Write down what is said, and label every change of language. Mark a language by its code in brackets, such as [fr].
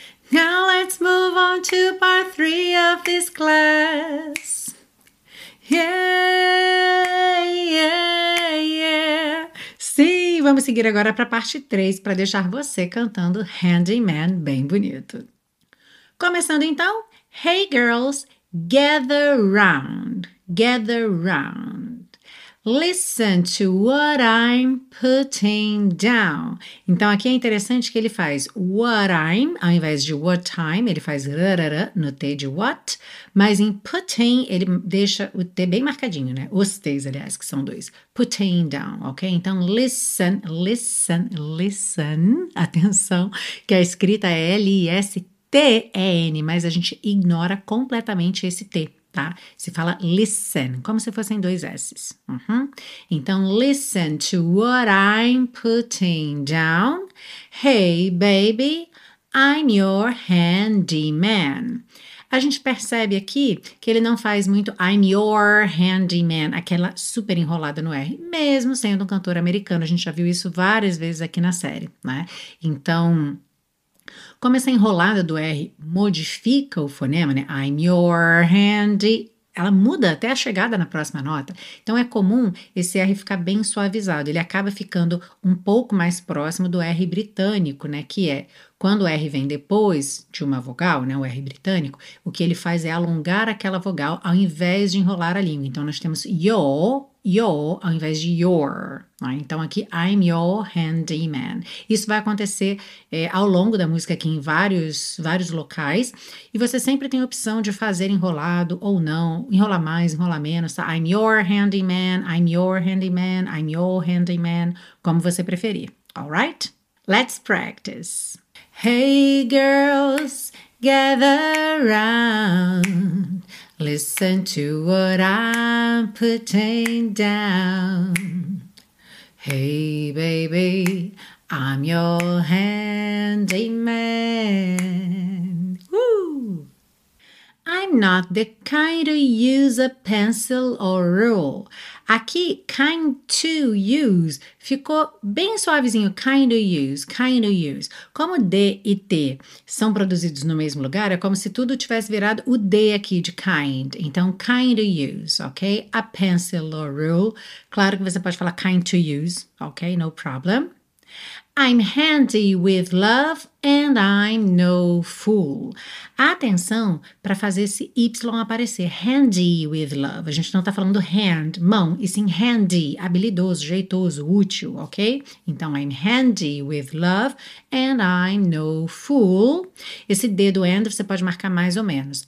[en] Now let's move on to part 3 of this class. Yeah, yeah, yeah. [pt] Sim, vamos seguir agora para a parte 3, para deixar você cantando Handyman bem bonito. Começando então, [en] hey girls, gather round, gather round. Listen to what I'm putting down. [pt] Então aqui é interessante que ele faz what I'm, ao invés de what time, ele faz rarara no T de what, mas em putting ele deixa o T bem marcadinho, né? Os T's, aliás, que são dois. [en] Putting down, [pt] ok? Então listen, listen, listen, atenção, que a escrita é L-I-S-T-E-N, mas a gente ignora completamente esse T. Tá? Se fala listen, como se fossem dois S's. Uhum. Então, [en] listen to what I'm putting down. Hey, baby, I'm your handyman. [pt] A gente percebe aqui que ele não faz muito [en] I'm your handyman, [pt] aquela super enrolada no R, mesmo sendo um cantor americano. A gente já viu isso várias vezes aqui na série, né? Então, como essa enrolada do R modifica o fonema, né? [en] I'm your handy. [pt] Ela muda até a chegada na próxima nota. Então, é comum esse R ficar bem suavizado. Ele acaba ficando um pouco mais próximo do R britânico, né? Que é quando o R vem depois de uma vogal, né? O R britânico, o que ele faz é alongar aquela vogal ao invés de enrolar a língua. Então, nós temos your, your, ao invés de your. Então, aqui, [en] I'm your handyman. [pt] Isso vai acontecer ao longo da música aqui em vários locais. E você sempre tem a opção de fazer enrolado ou não. Enrolar mais, enrolar menos. Tá? [en] I'm your handyman, I'm your handyman, I'm your handyman. [pt] Como você preferir. [en] Alright? Let's practice. Hey, girls, gather round. Listen to what I'm putting down. Hey, baby, I'm your handyman. Woo! I'm not the kind to use a pencil or rule. [pt] Aqui, [en] kind to use, [pt] ficou bem suavezinho. [en] Kind of use, kind of use. [pt] Como D e T são produzidos no mesmo lugar, é como se tudo tivesse virado o D aqui de kind. Então, [en] kind of use, [pt] ok? [en] A pencil or rule. [pt] Claro que você pode falar [en] kind to use, [pt] ok? [en] No problem. I'm handy with love and I'm no fool. [pt] Atenção para fazer esse Y aparecer. [en] Handy with love. [pt] A gente não está falando hand, mão, e sim handy, habilidoso, jeitoso, útil, ok? Então, [en] I'm handy with love and I'm no fool. [pt] Esse dedo and você pode marcar mais ou menos.